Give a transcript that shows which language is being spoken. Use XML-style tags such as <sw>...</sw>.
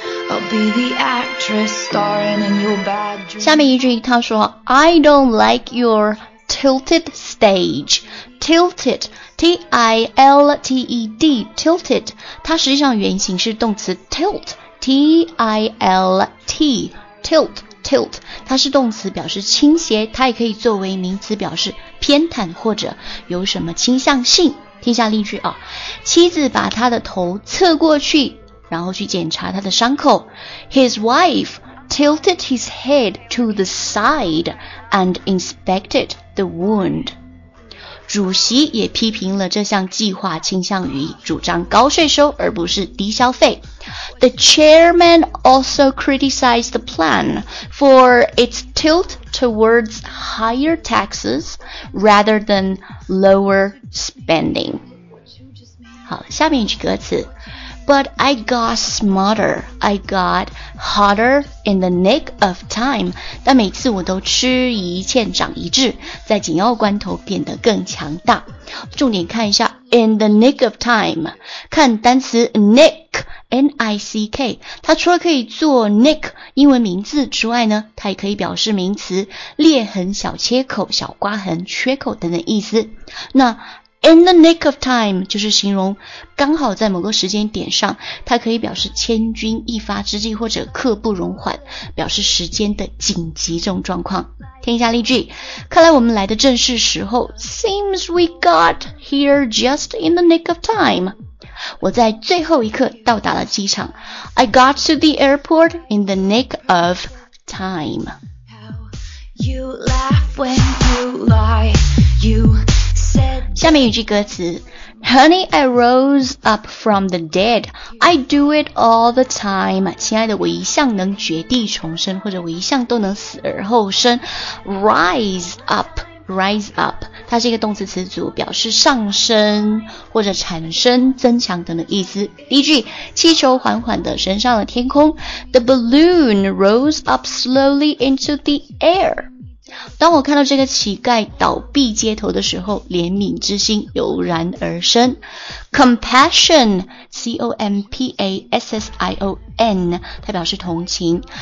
<en>I'll be the actress starring in your bad dream.</en> <zh>下面一句他说</zh> <en>I don't like your tilted stage. Tilted, T-I-L-T-E-D, tilted.</en> <zh>它实际上原型是动词 tilt, T-I-L-T, tilt, tilt. 它是动词表示倾斜，它也可以作为名词表示偏袒或者有什么倾向性。听下例句啊，妻子把他的头侧过去，然后去检查他的伤口。</zh> <en>His wife tilted his head to the side and inspected the wound.</en> <zh>主席也批评了这项计划倾向于主张高税收而不是低消费。</zh> <en>The chairman also criticized the plan for its tilt towards higher taxes rather than lower spending.</en> <zh>好，下面一句歌词。</zh> <en>But I got smarter, I got hotter in the nick of time.</en> <zh>但每次我都吃一堑长一智，在紧要关头变得更强大。重点看一下</zh> <en>in the nick of time，</en> <zh>看单词 nick, N-I-C-K， 它除了可以做 nick 英文名字之外呢，它也可以表示名词裂痕、小切口、小刮痕、缺口等等意思。那</zh> <en>In the nick of time</en> <zh>就是形容刚好在某个时间点上，它可以表示千钧一发之际或者刻不容缓，表示时间的紧急这种状况。听一下例句，看来我们来的正是时候。</zh> <en>Seems we got here just in the nick of time.</en> <zh>我在最后一刻到达了机场。</zh> <en>I got to the airport in the nick of time. You laugh when you lie, you...</en> <zh>下面一句歌词</zh> <en>Honey, I rose up from the dead. I do it all the time.</en> <zh>亲爱的，我一向能绝地重生，或者我一向都能死而后生。 Rise up 它是一个动词词组，表示上升或者产生、增强等的意思。第一句，气球缓缓地升上了天空。</zh> <en>The balloon rose up slowly into the air.</en> <zh>当我看到这个乞丐倒闭街头的时候，怜悯之心油然而生。 Compassion, C-O-M-P-A-S-S-I-O-N, 它表示同情。</zh>